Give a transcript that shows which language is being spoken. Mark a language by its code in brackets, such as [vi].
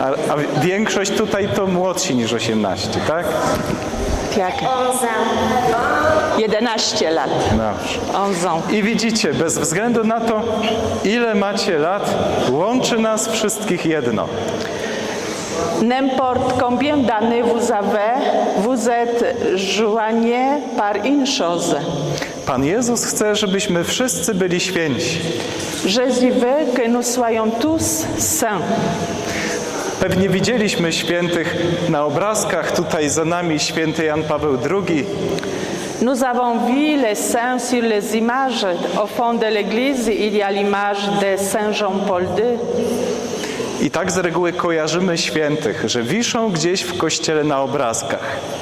[pl] A większość tutaj to młodsi niż 18, tak? Tak. 11 lat. Dobrze. I widzicie, bez względu na to, ile macie lat, łączy nas wszystkich jedno. [fr] N'importe combien d'années vous êtes joigné par une chose. [pl] Pan Jezus chce, żebyśmy wszyscy byli święci. [fr] Jésus veut que nous soyons tous saints. [pl] Pewnie widzieliśmy świętych na obrazkach, tutaj za nami święty Jan Paweł II. [fr] Nous avons vu les saints sur les images. Au fond de l'église, il y a l'image de Saint Jean-Paul II. [pl] I tak z reguły kojarzymy świętych, że wiszą gdzieś w kościele na obrazkach.